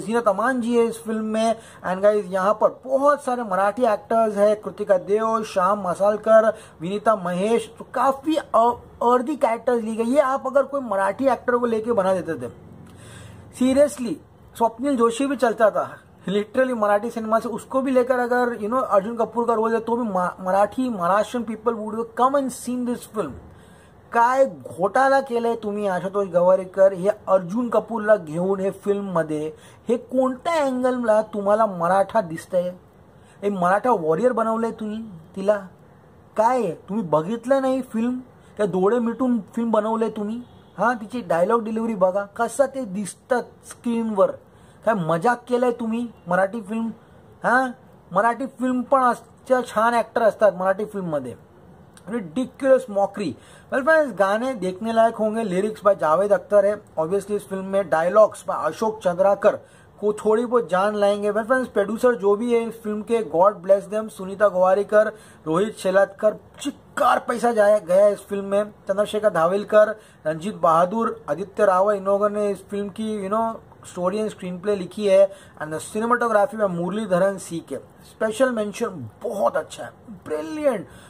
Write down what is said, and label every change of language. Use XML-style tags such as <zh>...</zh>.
<hi>जीनत अमान जी है इस फिल्म में।</hi> <en>and guys,</en> <hi>यहाँ पर बहुत सारे मराठी एक्टर्स है, कृतिका देव, श्याम मसालकर, विनीता महेश, तो काफी अर्धी कैरेक्टर्स ली गई। ये आप अगर कोई मराठी एक्टर को लेके बना देते थे सीरियसली, स्वप्निल जोशी भी चलता था लिटरली मराठी सिनेमा से, उसको भी लेकर अगर यू नो अर्जुन कपूर का रोल है तो भी Marathi Maharashtrian</hi> <en>People would come and seen this film.</en> <mr>काय घोटाला केलंय तुम्ही आशुतोष गवारीकर, हे अर्जुन कपूरला घेऊन हे फिल्म मध्ये, हे कोणत्या अँगलला तुम्हाला मराठा दिसतंय, हे मराठा वॉरियर बनवलंय तुम्ही तिला, काय तुम्ही बघितलं नाही फिल्म, त्या दोडे मिटून फिल्म बनवलंय तुम्ही, हां तिची डायलॉग डिलिव्हरी बघा कसं ते दिसतं स्क्रीनवर, काय मजाक केलंय तुम्ही मराठी फिल्म, हां मराठी फिल्म पण अशा छान ऍक्टर असतात मराठी फिल्ममध्ये,</mr> <en>Ridiculous mockery.</en> <hi>Well friends गाने देखने लायक होंगे, लिरिक्स बाय जावेद अख्तर है ऑब्वियसली इस फिल्म में, डायलॉग्स बाय अशोक चंद्राकर को थोड़ी बहुत जान लाएंगे। वेल फ्रेंड्स प्रोड्यूसर जो भी है इस फिल्म के,</hi> <en>God bless them,</en> <hi>Sunita Gowariker, Rohit शेलादकर, चिक्कार पैसा जाया गया इस फिल्म में, चंद्रशेखर धावेलकर, रंजीत बहादुर, आदित्य रावल, इन लोगों ने इस फिल्म की you know story and screen play लिखी है, एंड सिनेमाटोग्राफी में मुरलीधरन सी के, स्पेशल मेंशन बहुत अच्छा है, ब्रिलियंट।</hi>